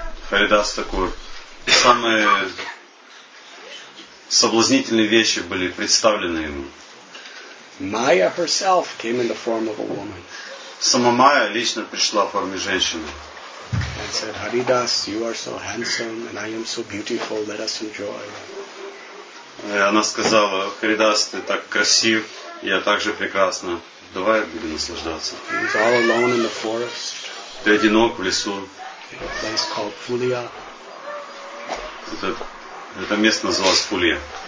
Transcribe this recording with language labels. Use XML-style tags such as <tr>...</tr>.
<ru>Харидас Такур, самые соблазнительные вещи были представлены ему.</ru> <en>Maya herself came in the form of a woman.</en> <ru>Сама Майя лично пришла в форме женщины.</ru> <en>And said, Haridas, you are so handsome and I am so beautiful, let us enjoy.</en> <ru>И она сказала, Харидас, ты так красив, я также прекрасна. Давай будем наслаждаться.</ru> <en>He was all alone in the forest.</en> <ru>Ты одинок в лесу.</ru> <en>A place called Puglia.</en> <ru>Это место называлось Пулия.</ru>